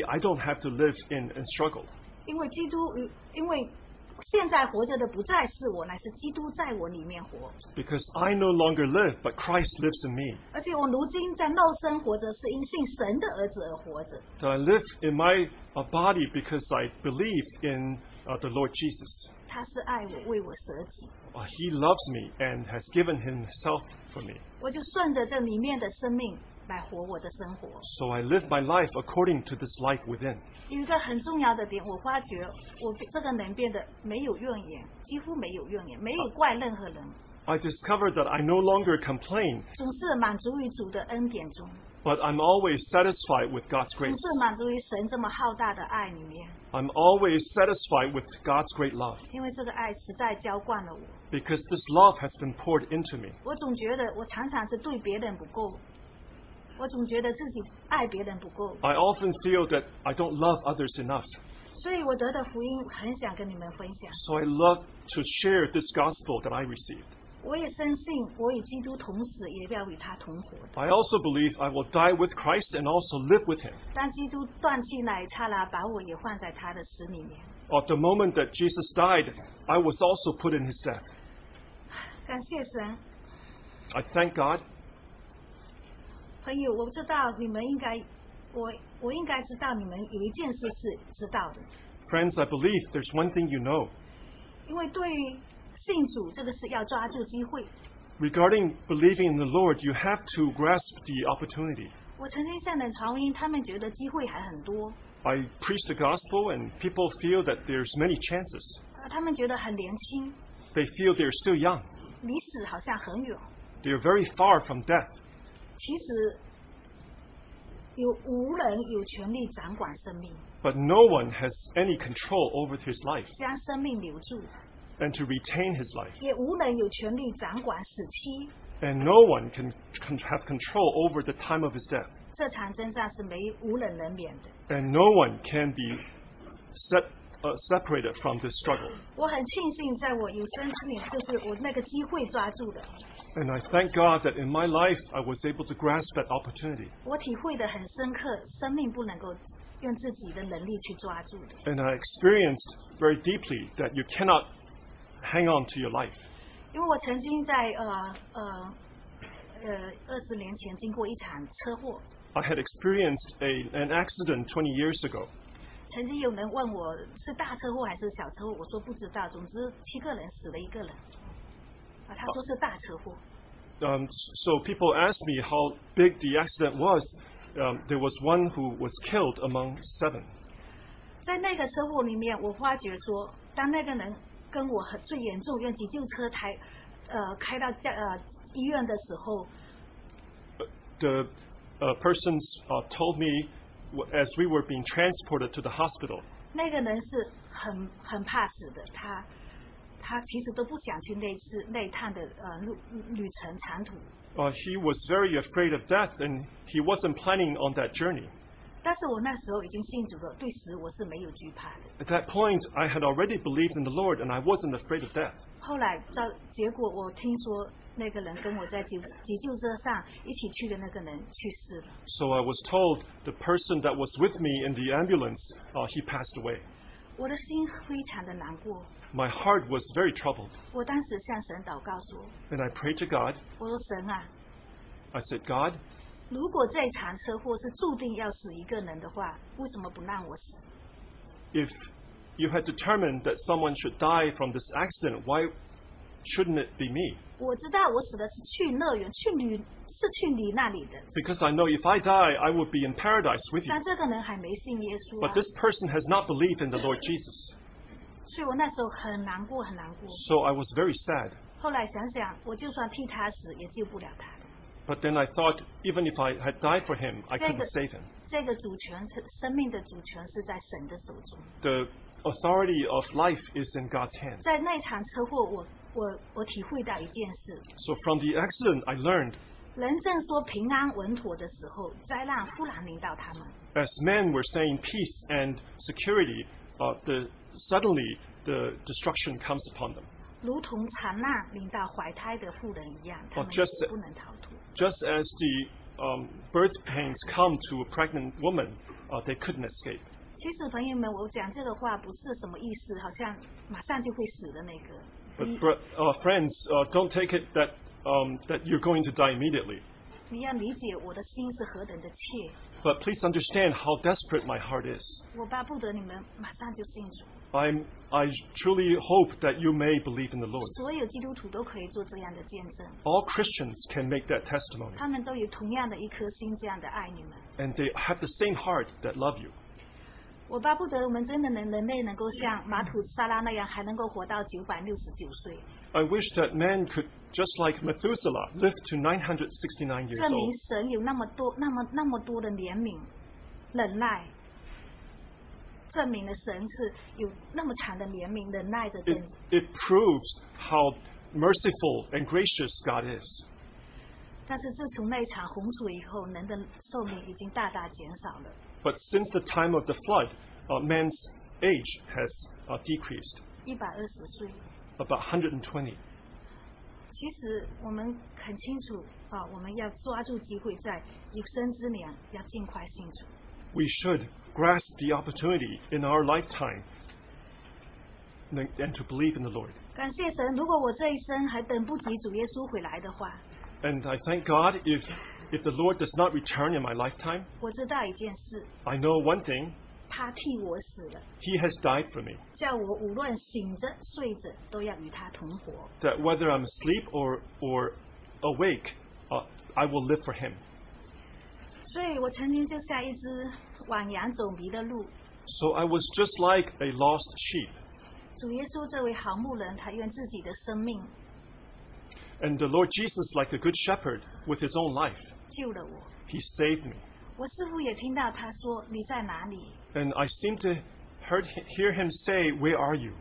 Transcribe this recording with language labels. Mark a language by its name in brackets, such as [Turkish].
[English] I don't have to live in struggle. [Chinese] 因为基督，因为现在活着的不再是我，乃是基督在我里面活。 [English] Because I no longer live, but Christ lives in me. [Chinese] 而且我如今在肉身活着，是因信神的儿子而活着。 [English] So I live in my body because I believe in the Lord Jesus. [Chinese] 他是爱我，为我舍己。 [English] He loves me and has given himself for me. [Chinese] 我就顺着这里面的生命来活我的生活。 [English] So I live my life according to this life within. [Chinese] 有一个很重要的点，我发觉我这个人变得没有怨言，几乎没有怨言，没有怪任何人。 [English] I discovered that I no longer complain. [Chinese] 总是满足于主的恩典中。 [English] But I'm always satisfied with God's grace. [Chinese] 总是满足于神这么浩大的爱里面。 [English] I'm always satisfied with God's great love. [Chinese] 因为这个爱实在浇灌了我。 [English] Because this love has been poured into me. [Chinese] 我总觉得我常常是对别人不够。我总觉得自己爱别人不够。 [English] I often feel that I don't love others enough. [Chinese] 所以我得的福音很想跟你们分享。 [English] So I love to share this gospel that I received. [Chinese] 我也深信我与基督同死，也要与他同活。 [English] I also believe I will die with Christ and also live with him. [Chinese] 当基督断气奶茶了，把我也换在他的死里面。 [English] At the moment that Jesus died, I was also put in his death. [Chinese] 感谢神。 [English] I thank God. [Chinese] 朋友，我知道你们应该，我应该知道你们有一件事是知道的。 [English] Friends, I believe there's one thing you know. [Chinese] 因为对于信主，这个是要抓住机会。 [English] Regarding believing in the Lord, you have to grasp the opportunity. [Chinese] 我曾经向人传福音，他们觉得机会还很多。 [English] I preach the gospel, and people feel that there's many chances. [Chinese] 他们觉得很年轻。 [English] They feel they're still young. [Chinese] 离死好像很远。 [English] They're very far from death. [Chinese] 其实有无人有权利掌管生命。 [English] But no one has any control over his life. [Chinese] 将生命留住。 [English] And to retain his life. [Chinese] 也无人有权利掌管死期。 [English] And no one can have control over the time of his death. [Chinese] 这场征战是没无人能免的。 [English] And no one can be separated from this struggle. [Chinese] 我很庆幸在我有生之年，就是我那个机会抓住的。 [English] And I thank God that in my life I was able to grasp that opportunity. [Chinese] 我体会得很深刻，生命不能够用自己的能力去抓住的。 [English] And I experienced very deeply that you cannot hang on to your life. [Chinese] 因为我曾经在20年前经过一场车祸。 [English] I had experienced an accident 20 years ago. [Chinese] 曾经有人问我是大车祸还是小车祸，我说不知道，总之七个人死了一个人。他说是大车祸。 [English] So people asked me how big the accident was. There was one who was killed among seven. [Chinese] 在那个车祸里面，我发觉说，当那个人跟我很最严重用急救车抬，开到医院的时候 [English] ，the persons told me as we were being transported to the hospital， [Chinese] 那个人是很怕死的，他其实都不想去那趟的旅程长途。 [English] He was very afraid of death, and he wasn't planning on that journey. [Chinese] 但是我那时候已经信主了，对死我是没有惧怕的。 [English] At that point, I had already believed in the Lord, and I wasn't afraid of death. [Chinese] 后来，结果我听说那个人跟我在急救车上一起去的那个人去世了。 [English] So I was told the person that was with me in the ambulance, he passed away. [Chinese] 我的心非常的难过。 [English] My heart was very troubled. [Chinese] 我当时向神祷告说。 [English] And I prayed to God. [Chinese] 我说神啊。 [English] I said, God. [Chinese] 如果这场车祸是注定要死一个人的话，为什么不让我死？ [English] If you had determined that someone should die from this accident, why shouldn't it be me? [Chinese] 我知道我死的是去乐园，是去你那里的。 [English] Because I know if I die, I would be in paradise with you. [Chinese] 但这个人还没信耶稣啊。 [English] But this person has not believed in the Lord Jesus. [Chinese] 所以我那时候很难过，很难过。 [English] So I was very sad. [Chinese] 后来想想，我就算替他死，也救不了他。 [English] But then I thought, even if I had died for him, I couldn't save him. [Chinese] 这个主权，生命的主权是在神的手中。 [English] The authority of life is in God's hands. [Chinese] 在那场车祸，我体会到一件事。 [English] So from the accident, I learned. [Chinese] 人正说平安稳妥的时候，灾难忽然临到他们。 [English] As men were saying peace and security, suddenly the destruction comes upon them. [Chinese] 如同惨难临到怀胎的妇人一样，他们也不能逃脱。 [English] Just as the birth pains come to a pregnant woman, they couldn't escape. [Chinese] 其实朋友们，我讲这个话不是什么意思，好像马上就会死的那个。 [English] But friends, don't take it that you're going to die immediately. [Chinese] 你要理解我的心是何等的切。 [English] But please understand how desperate my heart is. [Chinese] 我巴不得你们马上就信主。 [English] I truly hope that you may believe in the Lord. [Chinese] 所有基督徒都可以做这样的见证。 [English] All Christians can make that testimony. [Chinese] 他们都有同样的一颗心，这样的爱你们。 [English] And they have the same heart that love you. [Chinese] 我巴不得我们真的人类能够像马土沙拉那样，还能够活到969岁。 [English] I wish that man could just like Methuselah live to 969 years old. [Chinese] 证明神有那么多的怜悯、忍耐。证明了神是有那么长的怜悯忍耐着的。 [English] It proves how merciful and gracious God is. [Chinese] 但是自从那场洪水以后，人的寿命已经大大减少了。 [English] But since the time of the flood, man's age has decreased. [Chinese] 120岁。 [English] About 120. [Chinese] 其实我们很清楚啊，我们要抓住机会，在有生之年要尽快信主。 [English] We should grasp the opportunity in our lifetime and to believe in the Lord. [Chinese] 感谢神，如果我这一生还等不及主耶稣回来的话。 [English] And I thank God if the Lord does not return in my lifetime. [Chinese] 我知道一件事。 [English] I know one thing. [Chinese] 他替我死了。 [English] He has died for me. [Chinese] 叫我无论醒着睡着都要与他同活。 [English] That whether I'm asleep or awake, I will live for him. [Chinese] 所以我曾经就像一只往羊走迷的鹿。 [English] So I was just like a lost sheep. [Chinese] 主耶稣这位好牧人，他愿自己的生命。 [English] And the Lord Jesus, like a good shepherd, with his own life. [Chinese] 救了我。 [English] He saved me. [Chinese] 我似乎也听到他说，你在哪里？ [English] And I seem to hear him say, where are you?